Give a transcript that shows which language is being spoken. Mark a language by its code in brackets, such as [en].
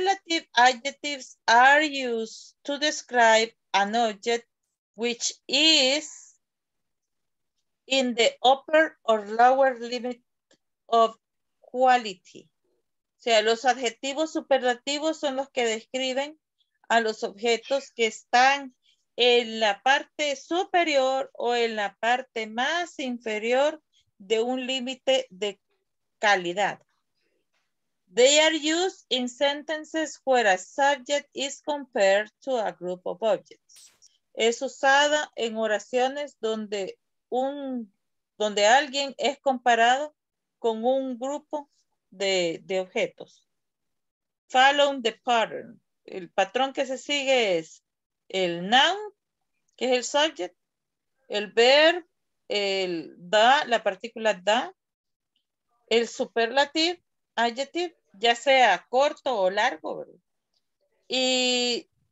[en] Now, superlative adjectives are used to describe an object which is in the upper or lower limit of quality. [es] O sea, los adjetivos superlativos son los que describen a los objetos que están en la parte superior o en la parte más inferior de un límite de calidad. [en] They are used in sentences where a subject is compared to a group of objects. [es] Es usada en oraciones donde alguien es comparado con un grupo de objetos. [en] Follow the pattern. [es] El patrón que se sigue es el noun, que es el subject, el verb, el da, la partícula da, el superlative, adjective, ya sea corto o largo, ¿verdad? Y